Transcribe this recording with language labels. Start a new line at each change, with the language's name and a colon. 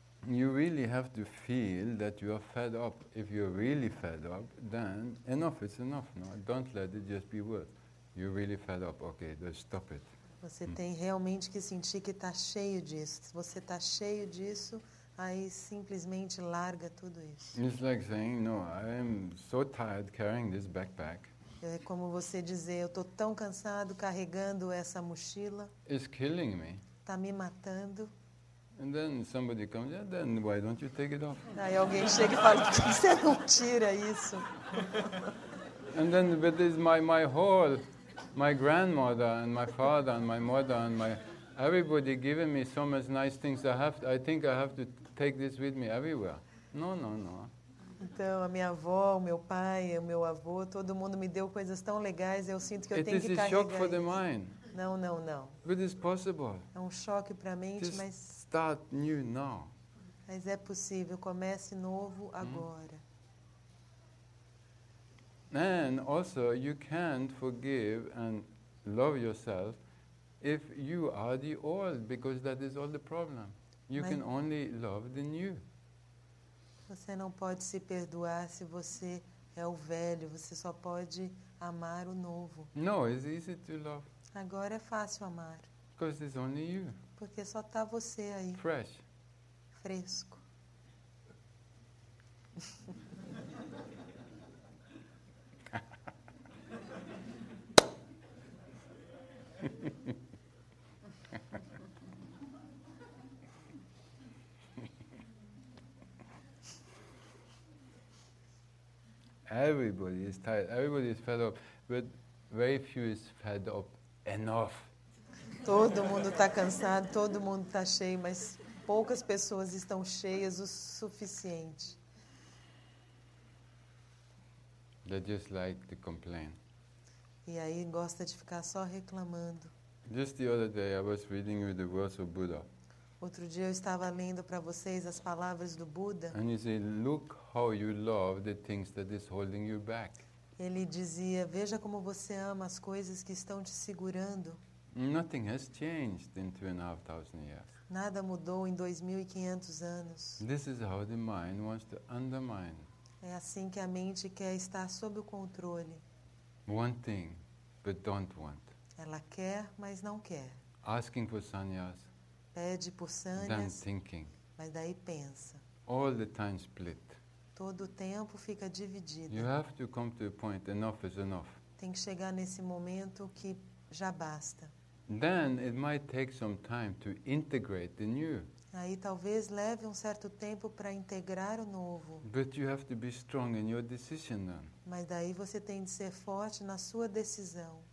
English: You really have to feel that you are fed up. If you're really fed up, then enough is enough. No, don't let it just be words. You're really fed up. Okay, just stop it.
Portuguese: Você tem realmente que sentir que está cheio disso. Se você está cheio disso, aí simplesmente larga tudo isso.
English: It's like saying, no, I'm so tired carrying this backpack.
Portuguese: É como você dizer, eu estou tão cansado carregando essa mochila.
English: It's killing me.
Portuguese: Está me matando.
English: And then somebody comes, yeah, then why don't you take it off?
Portuguese: Aí alguém chega e fala, por que você não tira isso?
English: And then, but this is my whole... My grandmother and my father and my mother and my everybody giving me so much nice things. I think I have to take this with me everywhere. No.
Portuguese: Então a minha avó, o meu pai, o meu avô, todo mundo me deu coisas tão legais. Eu sinto que eu tenho que carregar.
English: It is a shock for the mind.
Portuguese: Não.
English: But it's possible.
Portuguese: É um choque para a mente, mas.
English: Start new now.
Portuguese: Mas é possível. Comece novo agora.
English: And also, you can't forgive and love yourself if you are the old, because that is all the problem. You can only love the new.
Portuguese: Você não pode se perdoar se você é o velho. Você só pode amar o novo.
English: No, it's easy to love.
Portuguese: Agora é fácil amar.
English: Because it's only you.
Portuguese: Porque só está você aí.
English: Fresh.
Portuguese: Fresco.
English: Everybody is tired. Everybody is fed up, but very few is fed up enough.
Portuguese: Todo mundo está cansado. Todo mundo está cheio, mas poucas pessoas estão cheias o suficiente.
English: They just like to complain.
Portuguese: E aí gosta de ficar só reclamando.
English: Just the other day, I was reading you the words of Buddha.
Portuguese: Outro dia eu estava lendo para vocês as palavras do Buda.
English: And he said, "Look how you love the things that is holding you back."
Portuguese: Ele dizia, veja como você ama as coisas que estão te segurando.
English: Nothing has changed in 2,500 years.
Portuguese: Nada mudou em 2,500 anos.
English: This is how the mind wants to undermine.
Portuguese: É assim que a mente quer estar sob o controle.
English: One thing, but don't want.
Portuguese: Ela quer, mas não quer.
English: Asking for sannyas.
Portuguese: Pede por sannyas.
English: Then thinking.
Portuguese: Mas daí pensa.
English: All the time split.
Portuguese: Todo o tempo fica dividido.
English: You have to come to a point, enough is enough.
Portuguese: Tem que chegar nesse momento que já basta.
English: Then it might take some time to integrate the new.
Portuguese: Aí talvez leve um certo tempo para integrar o novo.
English: But you have to be strong in your decision then.
Portuguese: Mas daí você tem de ser forte na sua decisão.